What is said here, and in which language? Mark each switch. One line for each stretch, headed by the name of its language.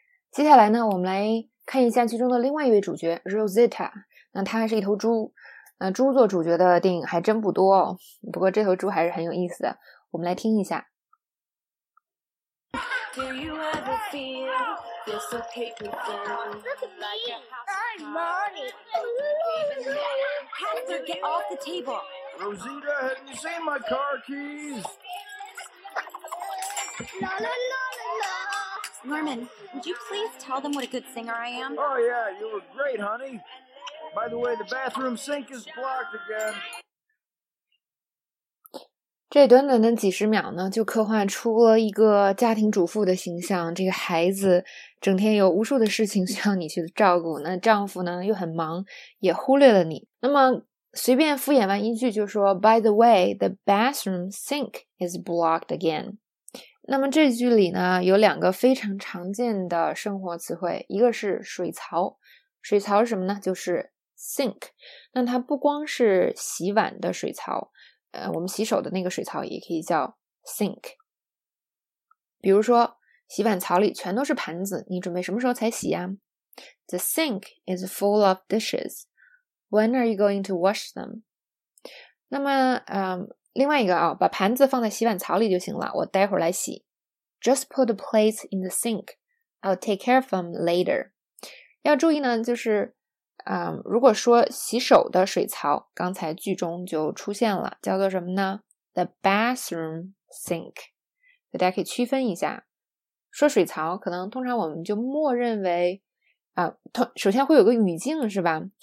Chinese: 接下来呢，我们来看一下其中的另外一位主角 Rosita。那她是一头猪，猪做主角的电影还真不多哦。不过这头猪还是很有意思的，我们来听一下。
English: Rosita, have you seen my car keys? La la la la la. Norman, would you please tell them what a good singer I am? Oh yeah, you were great, honey. By the way, the bathroom sink is blocked again.
Chinese: 这短短的几十秒呢，就刻画出了一个家庭主妇的形象。这个孩子整天有无数的事情需要你去照顾，那丈夫呢又很忙，也忽略了你。那么随便敷衍完一句就说
English: By the way, the bathroom sink is blocked again.
Chinese: 那么这句里呢有两个非常常见的生活词汇，一个是水槽。水槽是什么呢？就是 sink。那它不光是洗碗的水槽，我们洗手的那个水槽也可以叫 sink。比如说洗碗槽里全都是盘子，你准备什么时候才洗啊？
English: The sink is full of dishes. When are you going to wash them?
Chinese: 那么另外一个啊，把盘子放在洗碗槽里就行了，我待会儿来洗。
English: Just put the plates in the sink. I'll take care of them later.
Chinese: 要注意呢，就是如果说洗手的水槽，刚才剧中就出现了，叫做什么呢？
English: The bathroom sink，
Chinese: 大家可以区分一下。说水槽，可能通常我们就默认为首先会有个语境是吧？